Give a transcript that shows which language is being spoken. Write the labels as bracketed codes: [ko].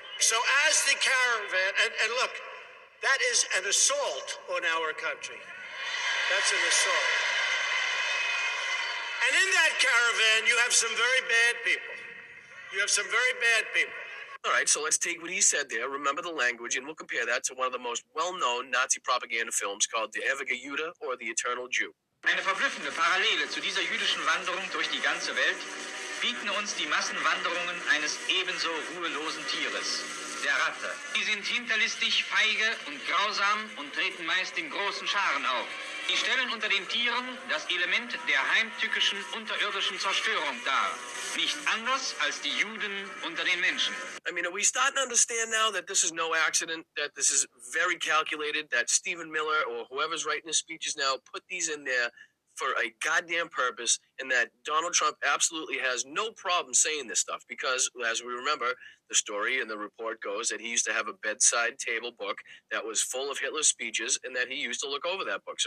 [en] So as the caravan, and look, that is an assault on our country. That's an assault. And in that caravan, you have some very bad people. You have some very bad people. All right, so let's take what he said there, remember the language, and we'll compare that to one of the most well-known Nazi propaganda films called Der ewige Jude or The Eternal Jew. [de] Eine verblüffende Parallele zu dieser jüdischen Wanderung durch die ganze Welt bieten uns die Massenwanderungen eines ebenso ruhelosen Tieres, der Ratte. Sie sind hinterlistig, feige und grausam und treten meist in großen Scharen auf. Sie stellen unter den Tieren das Element der heimtückischen unterirdischen Zerstörung dar. Nicht anders als die Juden unter den Menschen. [en] I mean, are we starting to understand now that this is no accident, that this is very calculated, that Stephen Miller or whoever's writing the speeches now put these in there for a goddamn purpose, and that Donald Trump absolutely has no problem saying this stuff, because as we remember, the story and the report goes that he used to have a bedside table book that was full of Hitler's speeches and that he used to look over that book.